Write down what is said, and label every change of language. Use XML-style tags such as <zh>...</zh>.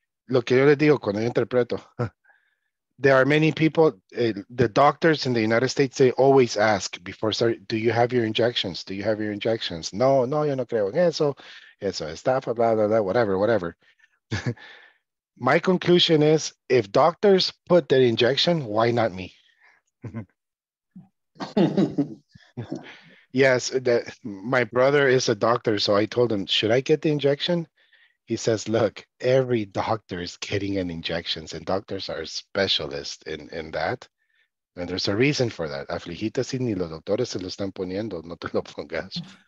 <es>Lo que yo les digo cuando yo interpreto.</es> <en>There are many people, the doctors in the United States, they always ask before, sorry, do you have your injections? Do you have your injections?</en> <es>No, yo no creo en eso. Eso es estafa, blah, blah, blah, whatever.</es> <en>My conclusion is, if doctors put their injection, why not me? Yes, my brother is a doctor, so I told him, should I get the injection? He says, look, every doctor is getting an injection, and doctors are specialists in that. And there's a reason for that.</en> <es>Aflijita si ni los doctores se lo están poniendo, no te lo pongas.</es>